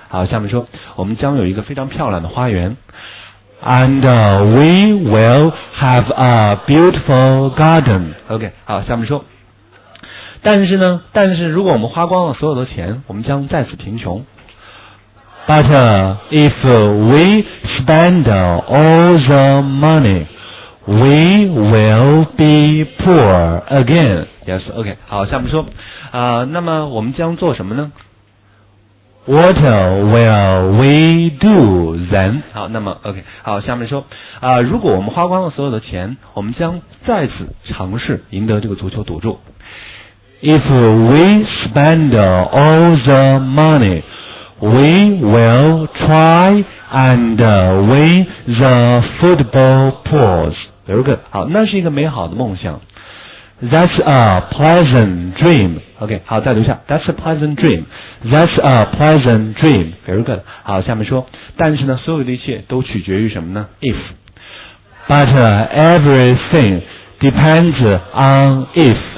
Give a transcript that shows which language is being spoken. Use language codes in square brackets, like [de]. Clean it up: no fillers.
[zh] 好，下面说，我们将有一个非常漂亮的花园。 [en] And we will have a beautiful garden. OK. [zh] 好，下面说，但是呢，但是如果我们花光了所有的钱，我们将再次贫穷。 [en] But if we spend all the money, we will be poor again. [zh] Yes. OK. 好，下面说。那么我们将做什么呢 [en] ？What will we do then？ [zh] 好，那么 OK， 好，下面说，如果我们花光了所有的钱，我们将再次尝试赢得这个足球赌注。 [en] If we spend all the money, we will try and win the football pools. [zh] Very good， 好，那是一个美好的梦想。 [en] That's a pleasant dream. OK， [zh] 好，再读一下。 [en] That's a pleasant dream. That's a pleasant dream. Very good. [zh] 好，下面说，但是呢，所有的一切都取决于什么呢 ？If. [en] But everything depends on if.